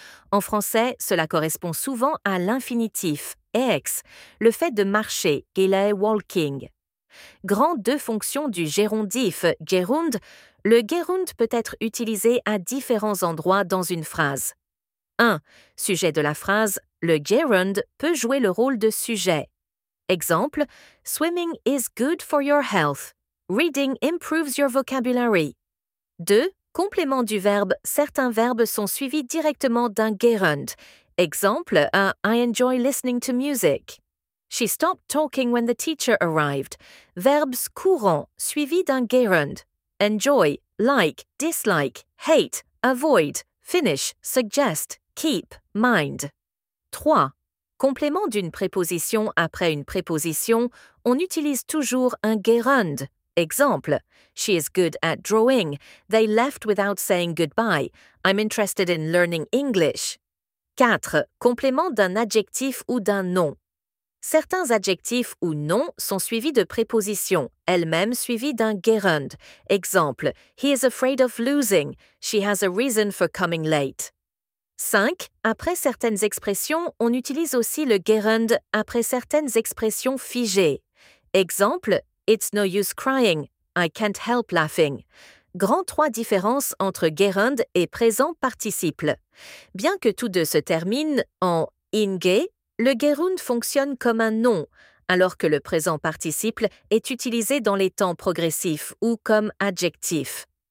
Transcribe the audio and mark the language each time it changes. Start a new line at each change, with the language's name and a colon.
French: En français, cela correspond souvent à l'infinitif, ex, le fait de marcher, il est walking. Grand deux fonctions du gérondif, gerund, le gerund peut être utilisé à différents endroits dans une phrase. 1. Sujet de la phrase, le gerund peut jouer le rôle de sujet.
English: Exemple, swimming is good for your health. Reading improves your vocabulary. 2.
French: Complément du verbe, certains verbes sont suivis directement d'un gerund.
English: Exemple, I enjoy listening to music. She stopped talking when the teacher arrived.
French: Verbes courants, suivis d'un gerund.
English: Enjoy, like, dislike, hate, avoid, finish, suggest, keep, mind. 3.
French: Complément d'une préposition après une préposition, on utilise toujours un gerund.
English: Exemple, she is good at drawing. They left without saying goodbye. I'm interested in learning English. 4.
French: Complément d'un adjectif ou d'un nom. Certains adjectifs ou noms sont suivis de prépositions, elles-mêmes suivies d'un gerund.
English: Exemple, he is afraid of losing. She has a reason for coming late. 5.
French: Après certaines expressions, on utilise aussi le gerund après certaines expressions figées.
English: Exemple, it's no use crying. I can't help laughing.
French: Grand 3 différences entre gerund et présent participle. Bien que tous deux se terminent en inge, le gerund fonctionne comme un nom, alors que le présent participle est utilisé dans les temps progressifs ou comme adjectif.